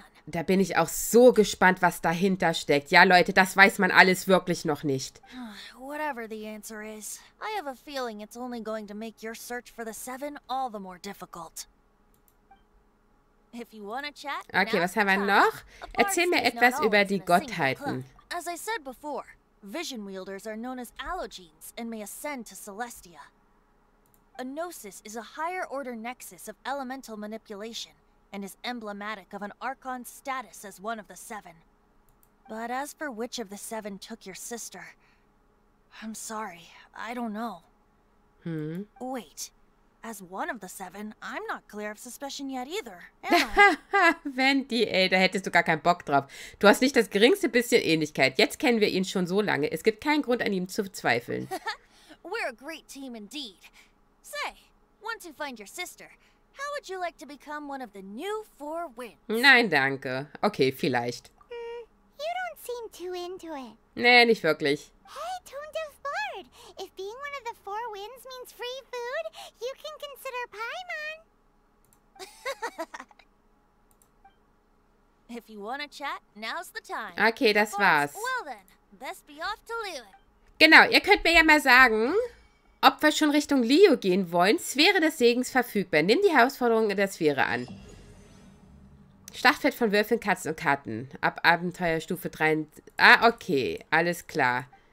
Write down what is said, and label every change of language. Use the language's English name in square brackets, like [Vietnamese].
[German] Da bin ich auch so gespannt, was dahinter steckt. Ja, Leute, das weiß man alles wirklich noch nicht. [English] Whatever the answer is, I have a feeling it's only going to make your search for the Seven all the more difficult. If you want to chat, [German] okay, was haben wir noch? Erzähl mir etwas über die Gottheiten. [English] As I said before, vision wielders are known as allogenes and may ascend to Celestia. A gnosis is a higher order nexus of elemental manipulation and is emblematic of an Archon's status as one of the Seven. But as for which of the Seven took your sister, I'm sorry, I don't know. Wait, as one of the Seven, I'm not clear of suspicion yet either, am I? [German] Wendy, ey, da hättest du gar keinen Bock drauf. Du hast nicht das geringste bisschen Ähnlichkeit. Jetzt kennen wir ihn schon so lange, es gibt keinen Grund an ihm zu zweifeln. [English] We're a great team indeed. Say, once you find your sister, how would you like to become one of the new four winds? [German] Nein, danke. Okay, vielleicht. [English] You don't seem too into it. [German] Nee, nicht wirklich. [English] Hey, tone deaf bard! If being one of the four winds means free food, you can consider Paimon. If you want to chat, now's the time. [German] Okay, das war's. [English] Well then, best be off to Liyue. [German] Genau, ihr könnt mir ja mal sagen, ob wir schon Richtung Liyue gehen wollen. Sphäre des Segens verfügbar. Nimm die Herausforderung in der Sphäre an. Schlachtfeld von Würfeln, Katzen und Karten. Ab Abenteuerstufe 3. Ah, okay. Alles klar.